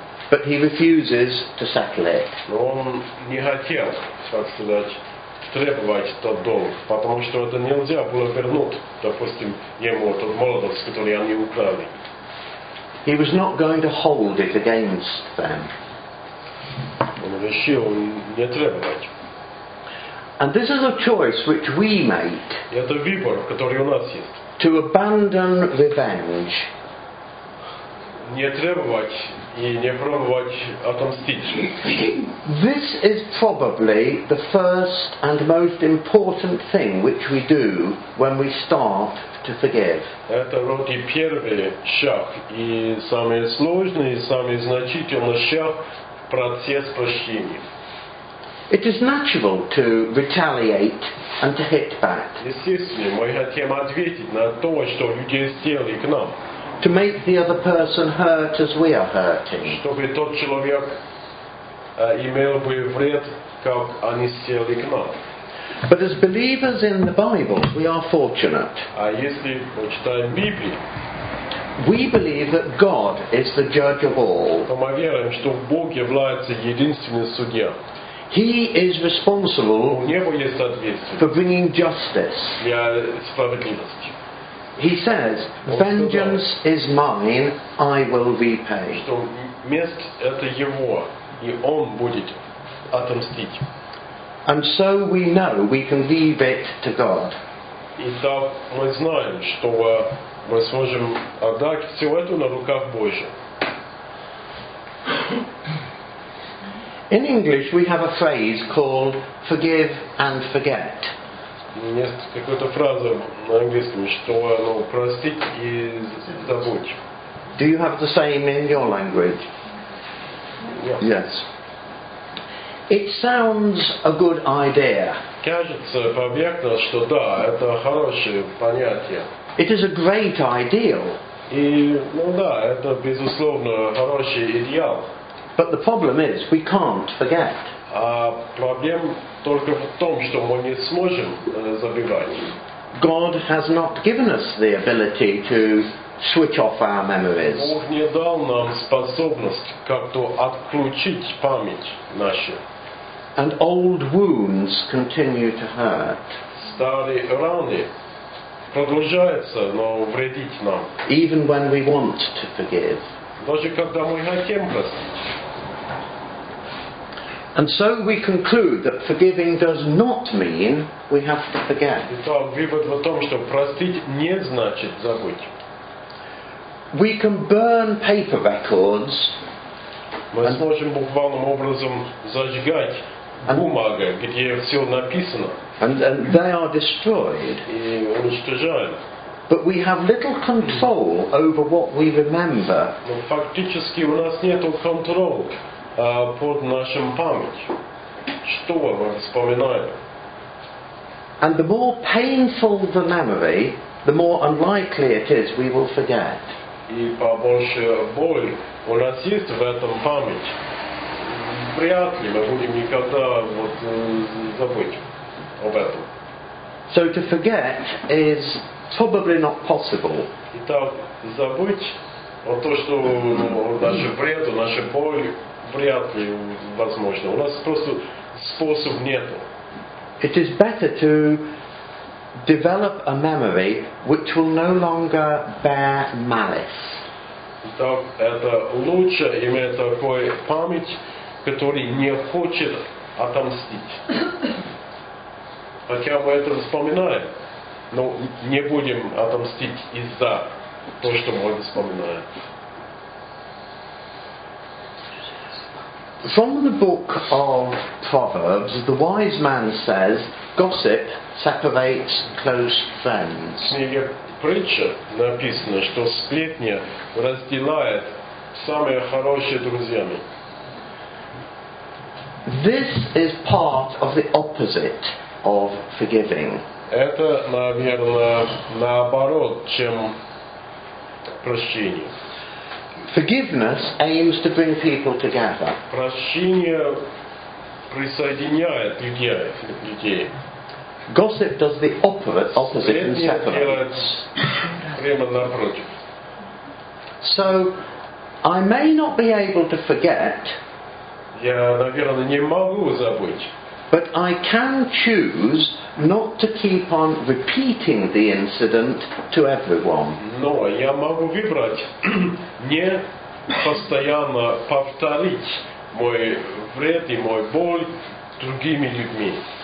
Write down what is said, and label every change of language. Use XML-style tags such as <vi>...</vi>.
<en>But he refuses to settle it.</en> <ru>Но он не хотел, так сказать, требовать тот долг, потому что это нельзя было вернуть, допустим, ему тот молодец, который они украли.</ru> <en>He was not going to hold it against them.</en> <ru>Он решил не требовать.</ru> <en>And this is a choice which we make.</en> <ru>Это выбор, который у нас есть.</ru> <en>To abandon revenge.</en> <ru>Не требовать и не пробовать отомстить.</ru> <en>This is probably the first and most important thing which we do when we start to forgive.</en> <ru>Это вроде первый шаг и самый сложный и самый значительный шаг в процессе прощения.</ru> <en>It is natural to retaliate and to hit back.</en> <ru>Естественно, мы хотим ответить на то, что люди сделали к нам.</ru> <en>To make the other person hurt as we are hurting.</en> <ru>Чтобы тот человек имел бы вред, как они сделали к нам.</ru> <en>But as believers in the Bible, we are fortunate.</en> <ru>А если мы читаем Библию,</ru> <en>we believe that God is the judge of all.</en> <ru>То мы верим, что Бог является единственным судьей.</ru> <en>He is responsible for bringing justice. He says, "Vengeance is mine; I will repay."</en> <ru>Что месть это его, и он будет отомстить.</ru> <en>And so we know we can leave it to God.</en> <ru>И так мы знаем, что мы сможем отдать все это на руках Божьих.</ru> <en>In English, we have a phrase called "forgive and forget."</en> <ru>Есть какая-то фраза на английском, что простить и забыть.</ru> <en>Do you have the same in your language? Yes. Yes. It sounds a good idea.</en> <ru>Кажется по-объекту, что да, это хорошее понятие.</ru> <en>It is a great ideal.</en> <ru>И да, это безусловно хороший идеал.</ru> <en>But the problem is, we can't forget.</en> <ru>Проблем только в том, что мы не сможем забывать.</ru> <en>God has not given us the ability to switch off our memories.</en> <ru>Бог не дал нам способность как-то отключить память нашу.</ru> <en>And old wounds continue to hurt.</en> <ru>Старые раны продолжаются, но вредить нам.</ru> <en>Even when we want to forgive.</en> <ru>Даже когда мы хотим простить.</ru> <en>And so we conclude that forgiving does not mean we have to forget.</en> <ru>Итак, вывод в том, что простить не значит забыть.</ru> <en>We can burn paper records.</en> <ru>Мы сможем буквальным образом зажигать бумагу, где все написано.</ru> <en>And they are destroyed.</en> <ru>И уничтожаем.</ru> <en>But we have little control over what we remember.</en> <ru>Но фактически у нас нету контроля. Под нашим память. Что мы вспоминаем?</ru> <en>And the more painful the memory, the more unlikely it is we will forget.</en> <ru>И побольше боль у нас есть в этом память. Вряд ли мы будем никогда забыть об этом.</ru> <en>So to forget is probably not possible.</en> <ru>Итак, забыть о том, что наше вред, наше боль. Вряд ли возможно. У нас просто способ нету.</ru> <en>It is better to develop a memory which will no longer bear malice.</en> <ru>Так это лучше иметь такой память, который не хочет отомстить. Хотя мы это вспоминаем, но не будем отомстить из-за того, что мы вспоминаем.</ru> <en>From the book of Proverbs, the wise man says, "Gossip separates close friends."</en> <ru>В книге притча написано, что сплетня разделяет самые хорошие друзьями.</ru> <en>This is part of the opposite of forgiving.</en> <ru>Это, наверное, наоборот, чем прощение.</ru> <en>Forgiveness aims to bring people together.</en> <ru>Прощение присоединяет людей.</ru> <en>Gossip does the opposite and separates.</en> <ru>Прямо напротив.</ru> <en>So, I may not be able to forget.</en> <ru>Я, наверное, не могу забыть.</ru> <en>But I can choose not to keep on repeating the incident to everyone.</en> <ru>Но я могу выбрать не постоянно повторить мой вред и мой боль другими людьми.</ru>